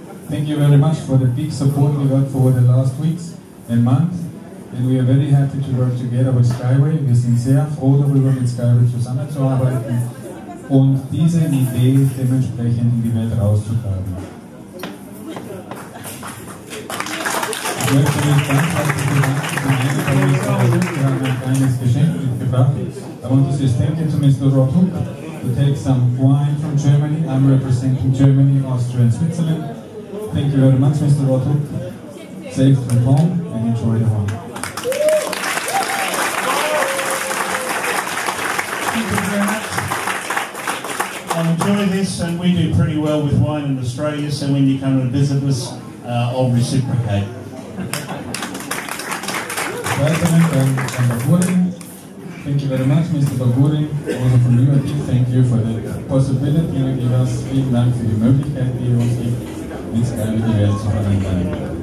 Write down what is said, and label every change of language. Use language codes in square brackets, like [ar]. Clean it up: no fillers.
[en] Thank you very much for the big support we got for the last weeks and months. And we are very happy to work together with Skyway. [de] Wir sind sehr froh darüber, mit Skyway zusammenzuarbeiten und diese Idee dementsprechend in die Welt rauszutragen. Ich möchte mich ganz herzlich bedanken für die Einladung. Wir haben ein kleines Geschenk mitgebracht. [en] I want to say thank you to Mr. Rothhook to take some wine from Germany. I'm representing Germany, Austria and Switzerland. Thank you very much, Mr. Rothhook. Safe from home and enjoy the wine. Enjoy this, and we do pretty well with wine in Australia, so when you come and visit us, I'll reciprocate. Thank you very much, Mr. Bagurin. Also from you, thank you for the possibility you give us. [de] Vielen Dank für die Möglichkeit, die ihr uns gibt, mit Skyway die Welt zu verändern.